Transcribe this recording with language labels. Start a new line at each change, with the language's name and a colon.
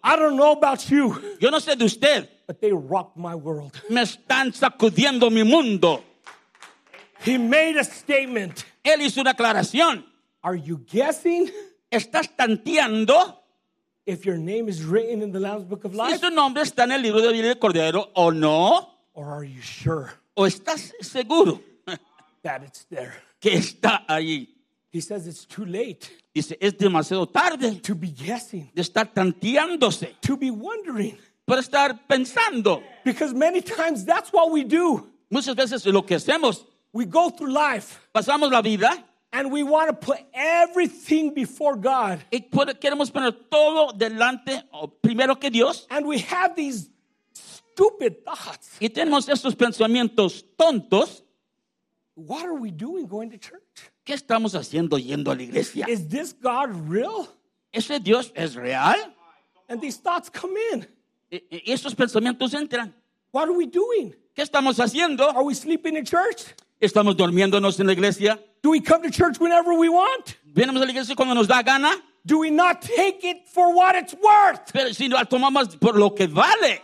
English: I don't know about you.
Spanish: Yo no sé de usted.
English: But they rocked my world.
Spanish: Me están sacudiendo mi mundo.
English: He made a statement.
Spanish: Él hizo una aclaración.
English: Are you guessing?
Spanish: ¿Estás tanteando?
English: If your name is written in the Lamb's Book of Life.
Spanish: ¿Si tu nombre está en el libro de vida del Cordero o no?
English: Or are you sure?
Spanish: ¿O estás seguro?
English: That it's there.
Spanish: Que está ahí.
English: He says it's too late.
Spanish: Dice, es demasiado tarde.
English: To be guessing.
Spanish: De estar tanteándose.
English: To be wondering.
Spanish: Para estar pensando.
English: Because many times that's what we do.
Spanish: Muchas veces lo que hacemos.
English: We go through life.
Spanish: Pasamos la vida.
English: And we want to put everything before God.
Spanish: Y queremos poner todo delante primero que Dios.
English: And we have these stupid thoughts.
Spanish: Y tenemos estos pensamientos tontos.
English: What are we doing going to church?
Spanish: ¿Qué estamos haciendo yendo a la iglesia?
English: Is this God real?
Spanish: ¿Ese Dios es real?
English: And these thoughts come in.
Spanish: Y esos pensamientos entran.
English: What are we doing?
Spanish: ¿Qué estamos haciendo?
English: Are we sleeping in church?
Spanish: ¿Estamos durmiéndonos en la iglesia?
English: Do we come to church whenever we want?
Spanish: ¿Venimos a la iglesia cuando nos da gana?
English: Do we not take it for what it's worth?
Spanish: Pero si no lo tomamos por lo que vale.